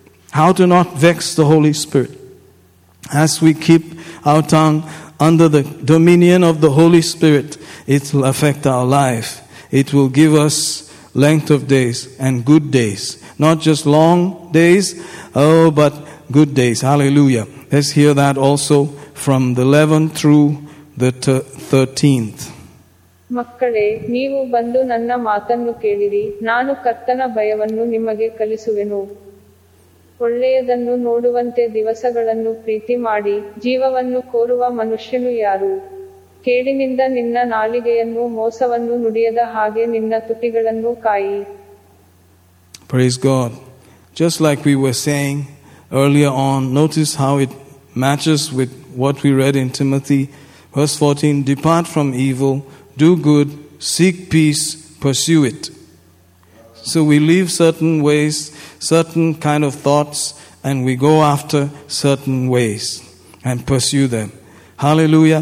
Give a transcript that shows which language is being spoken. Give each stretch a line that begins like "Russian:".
English: How to not vex the Holy Spirit. As we keep our tongue under the dominion of the Holy Spirit, it will affect our life. It will give us length of days and good days. Not just long days, oh, but good days. Hallelujah. Let's hear that also from the 11th through the 13th.
Kannada: ಮಕ್ಕಳೇ ನೀವು ಬಂದು ನನ್ನ ಮಾತನ್ನು ಕೇಳಿರಿ ನಾನು ಕರ್ತನ ಭಯವನ್ನು ನಿಮಗೆ ಕಲಿಸುವೆನು ಒಳ್ಳೆಯದನ್ನು ನೋಡುವಂತೆ ದಿವಸಗಳನ್ನು ಪ್ರೀತಿ ಮಾಡಿ ಜೀವವನ್ನು ಕೋರುವ ಮನುಷ್ಯನು ಯಾರು ಕೇಡಿನಿಂದ ನಿನ್ನ ನಾಲಿಗೆಯನ್ನು ಮೋಸವನ್ನು ನುಡಿಯದ ಹಾಗೆ ನಿನ್ನ ತುಟಿಗಳನ್ನು ಕಾಯಿ
English: Praise God. Just like we were saying earlier on, notice how it matches with what we read in Timothy, verse 14, depart from evil, do good, seek peace, pursue it. So we leave certain ways, certain kind of thoughts, and we go after certain ways and pursue them. Hallelujah.